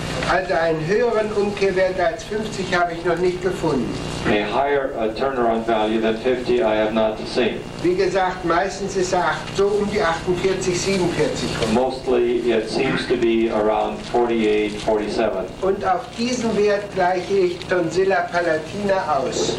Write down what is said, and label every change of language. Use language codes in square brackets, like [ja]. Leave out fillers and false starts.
[de] Also einen höheren Umkehrwert als 50 habe ich noch nicht gefunden. [en] A higher turnaround value than 50 I have not seen. [de] Wie gesagt, meistens ist er so um die 48, 47. [en] Mostly it seems to be around 48, 47. [de] Und auf diesen Wert gleiche ich Tonsilla palatina aus.